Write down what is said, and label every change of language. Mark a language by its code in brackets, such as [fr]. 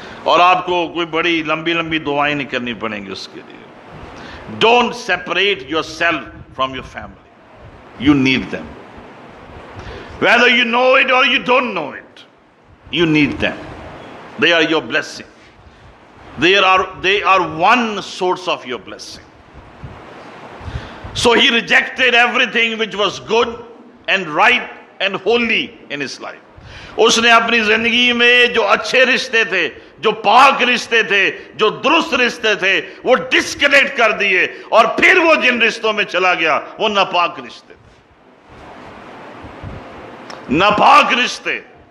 [hi] और आपको कोई बड़ी लंबी लंबी दुआएं नहीं करनी पड़ेंगी उसके लिए. [en] Don't separate yourself from your family, you need them, whether you know it और you don't know it. You need them. They are your blessing. They are one source of your blessing. So he rejected everything which was good and right and holy in his life. [hi] उसने अपनी जिंदगी में जो अच्छे रिश्ते थे, जो पाक रिश्ते थे, जो दुरुस्त रिश्ते थे, वो डिस्कनेक्ट कर दिए. और फिर वो जिन रिश्तों में चला गया, वो नापाक रिश्ते थे, नापाक रिश्ते.